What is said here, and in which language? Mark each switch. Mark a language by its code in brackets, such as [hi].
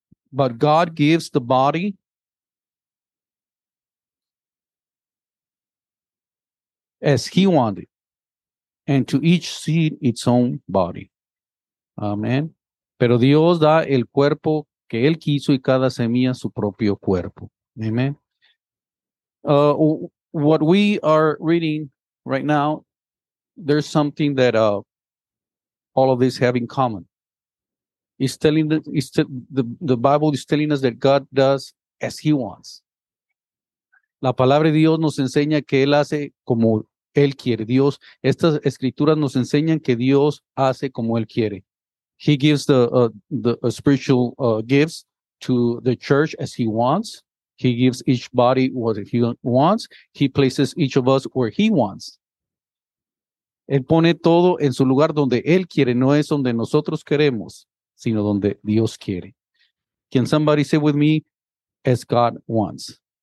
[en] But God gives the body as he wanted, and to each seed its own body. Amen. [es] Pero Dios da el cuerpo que él quiso y cada semilla su propio cuerpo. Amen. [en] What we are reading right now, there's something that all of this have in common. The Bible is telling us that God does as he wants. [es] La palabra de Dios nos enseña que él hace como él quiere. Dios, estas escrituras nos enseñan que Dios hace como él quiere. [en] He gives the spiritual gifts to the church as he wants. He gives each body what he wants. He places each of us where he wants. [es] Él pone todo en su lugar donde él quiere, no es donde nosotros queremos, sino donde Dios quiere. [en] Can somebody say with me, as God wants?